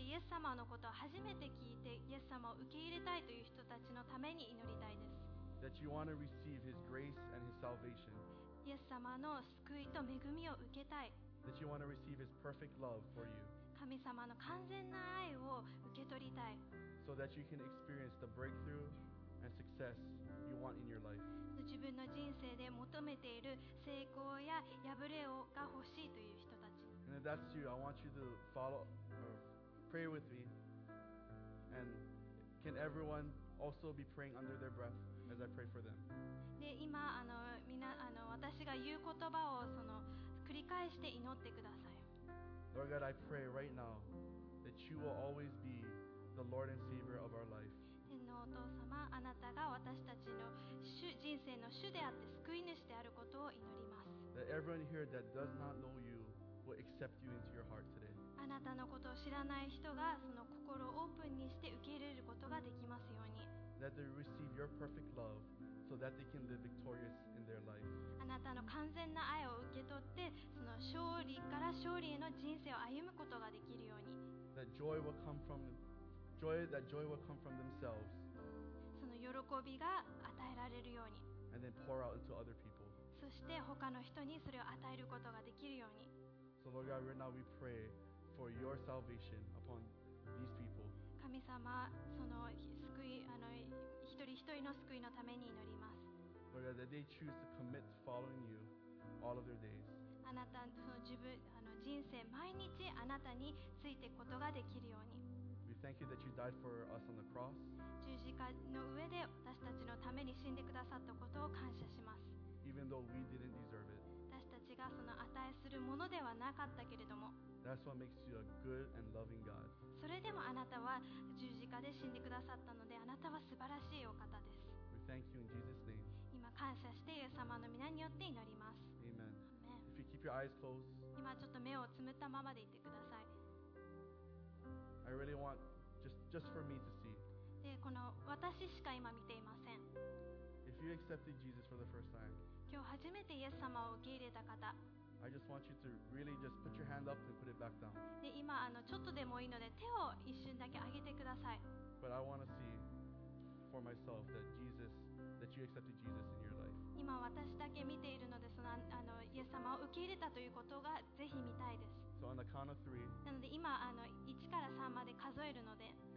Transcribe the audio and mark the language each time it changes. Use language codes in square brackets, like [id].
[ja] 様のことを初めて聞いてイエス様を受け入れたいという人たちのために祈りたいです。 [en] That you want to receive His grace and His salvation. [ja] イエス様の救いと恵みを受けたい。 [en] That you want to receive His perfect love for you. [ja] 神様の完全な愛を受け取りたい。 [en] So that you can experience the breakthrough and success you want in your life. [ja] 自分の人生で求めている成功や破れをが欲しいという人たち。 [en] And if that's you, I want you to follow. Pray with me, and can everyone also be praying under their breath as I pray for them? [ja] で今あのみなあの私が言う言葉をその繰り返して祈ってください。 [en] Lord God, I pray right now that you will always be the Lord and Savior of our life. [ja] 天のお父様、あなたが私たちの主人生の主であって救い主であることを祈ります。 [en] That everyone here that does not know you will accept you into your heart today. [ja] あなたのことを知らない人がその心をオープンにして受け入れることができますように。 [en] That they receive your perfect love so that they can live victorious in their life. [ja] あなたの完全な愛を受け取って、その勝利から勝利への人生を歩むことができるように。 [en] That joy will come from joy, that joy will come from themselves. [ja] その喜びが与えられるように。 [en] And then pour out into other people. [ja] そして他の人にそれを与えることができるように。 [en] So Lord God, right now we pray. For your salvation upon these people. [ja] 神様、その救い、あの、一人一人の救いのために祈ります。 [en] Lord, that they choose to commit to following you all of their days. [ja] あなたの自分、あの、人生、毎日あなたについていくことができるように。 [en] We thank you that you died for us on the cross. [ja] 十字架の上で私たちのために死んでくださったことを感謝します。 [en] Even though we didn't deserve it. [ja] 私たちがその与えするものではなかったけれども。 [en] That's what makes you a good and loving God. [ja] それでもあなたは十字架で死んでくださったので、あなたは素晴らしいお方です。 [en] We thank you in Jesus' name. [ja] 今感謝してイエス様の皆によって祈ります。 [en] Amen. If you keep your eyes closed. [ja] 今ちょっと目をつむったままでいてください。 [en] I really want just for me to see. [ja] で、この私しか今見ていません。 [en] If you accepted Jesus for the first time. [ja] 今日初めてイエス様を受け入れた方。 [en] I just want you to really just put your hand up and put it back down. [ja] で、今あのちょっとでもいいので手を一瞬だけ上げてください。 [en] But I want to see for myself that Jesus, that you accepted Jesus in your life. [ja] 今私だけ見ているので、そのあのイエス様を受け入れたということがぜひ見たいです。 [en] So on the count of three. [ja] なので今あの1から3まで数えるので。